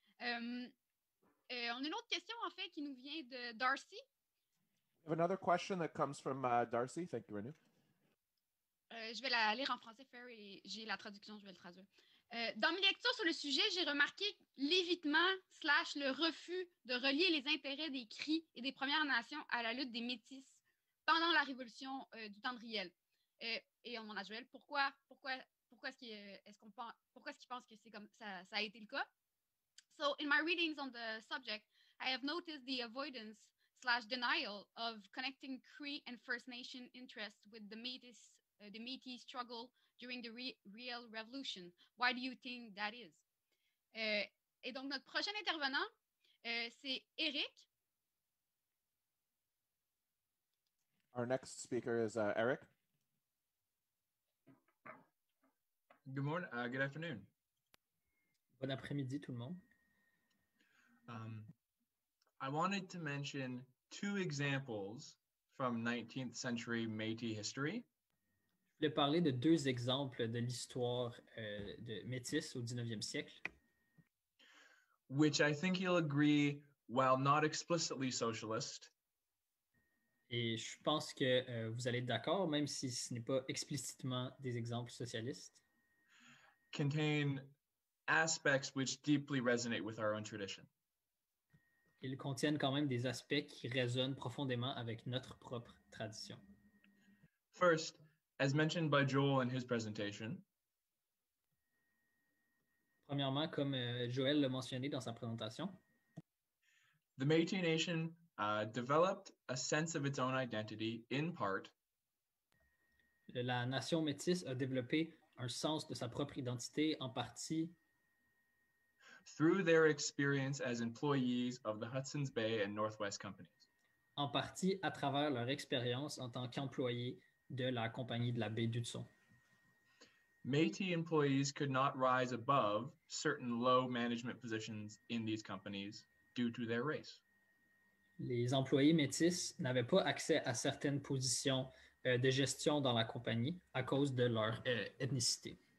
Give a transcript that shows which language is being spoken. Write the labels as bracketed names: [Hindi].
[French] On a une autre question, en fait, qui nous vient de Darcy. [English] We have another question that comes from Darcy. Thank you, Renew. [French] Je vais la lire en français, Fer, et j'ai la traduction, je vais le traduire. Dans mes lectures sur le sujet, j'ai remarqué l'évitement slash le refus de relier les intérêts des Cris et des Premières Nations à la lutte des Métis pendant la Révolution du temps de Riel. Et on demande à Joël, pourquoi est-ce qu'il pense que ça a été le cas? [English] So, in my readings on the subject, I have noticed the avoidance slash denial of connecting Cree and First Nation interests with the Métis struggle during the Riel Revolution. Why do you think that is? [French] Et donc, notre prochain intervenant, c'est Eric. [English] Our next speaker is Eric. Good morning. Good afternoon. [French] Bon après-midi, tout le monde. [English] I wanted to mention two examples from 19th century Métis history. [French] Je voulais parler de deux exemples de l'histoire de Métis au 19e siècle. [English] Which I think you'll agree, while not explicitly socialist. [French] Et je pense que vous allez être d'accord, même si ce n'est pas explicitement des exemples socialistes. [English] Contain aspects which deeply resonate with our own tradition. [French] Ils contiennent quand même des aspects qui résonnent profondément avec notre propre tradition. [English] First, as mentioned by Joel in his presentation. [French] Premièrement, comme Joël l'a mentionné dans sa présentation, [English] the Métis Nation developed a sense of its own identity in part. [French] La nation Métis a développé un sens de sa propre identité en partie [English] through their experience as employees of the Hudson's Bay and Northwest companies. [French] En partie à travers leur expérience en tant qu'employés de la compagnie de la baie d'Hudson. [English] Métis employees could not rise above certain low management positions in these companies due to their race. [French] Les employés métis n'avaient pas accès à certaines positions de gestion dans la compagnie à cause de leur ethnicité.